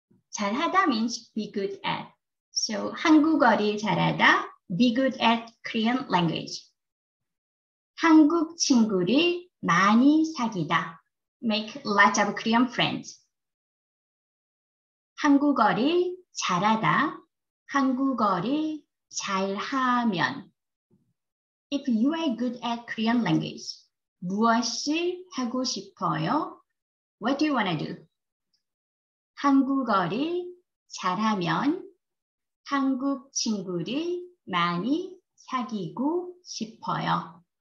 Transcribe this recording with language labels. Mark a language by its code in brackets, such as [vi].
[en] 잘하다 means be good at. So [ko] 한국어를 잘하다, [en] be good at Korean language. 한국 친구를 많이 사귀다, make lots of Korean friends. [ko] 한국어를 잘하다, 한국어를 잘하면. [en] If you are good at Korean language, [ko] 무엇을 하고 싶어요? [en] What do you want to do? [ko] 한국어를 잘하면 한국 친구를 많이 사귀고 싶어요.